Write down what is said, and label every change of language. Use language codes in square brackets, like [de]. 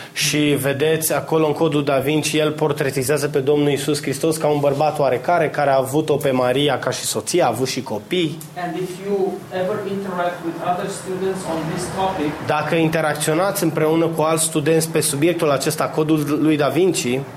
[ro] Și vedeți acolo în codul Da Vinci, el portretizează pe Domnul Iisus Hristos ca un bărbat oarecare care a avut-o pe Maria ca și soție, a avut și copii. [en] And if you ever interact with other students on this topic, [ro] dacă interacționați împreună cu alți studenți pe subiectul acesta, codul lui Da Vinci,